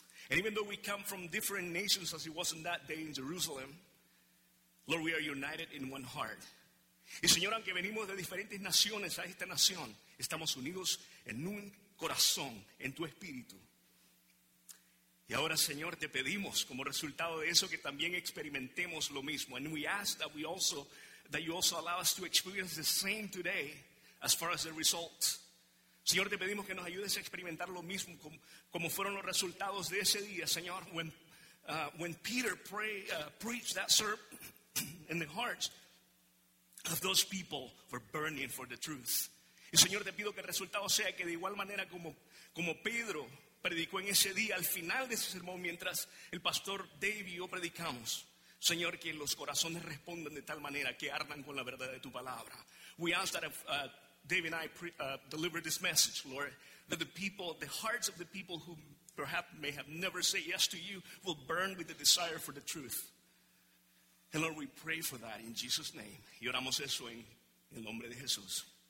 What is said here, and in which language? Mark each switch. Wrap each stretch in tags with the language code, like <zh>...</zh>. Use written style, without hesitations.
<en>And even though we come from different nations as it was in that day in Jerusalem, Lord, we are united in one heart.</en> <es>Y Señor, aunque venimos de diferentes naciones a esta nación, estamos unidos en un corazón, en tu espíritu. Y ahora, Señor, te pedimos como resultado de eso que también experimentemos lo mismo.</es> <en>And we ask that we also, that you also allow us to experience the same today as far as the result.</en> <es>Señor, te pedimos que nos ayudes a experimentar lo mismo como fueron los resultados de ese día, Señor.</es> <en>When Peter preached that sermon in the hearts of those people were burning for the truth.</en> <es>Y Señor, te pido que el resultado sea que de igual manera como Pedro predicó en ese día, al final de ese sermón, mientras el pastor Dave y yo predicamos, Señor, que los corazones respondan de tal manera que ardan con la verdad de tu palabra.</es> <en>We ask that Dave and I deliver this message, Lord, that the hearts of the people who perhaps may have never said yes to you will burn with the desire for the truth. And Lord, we pray for that in Jesus' name.</en> <es>Y oramos eso en el nombre de Jesús.</es>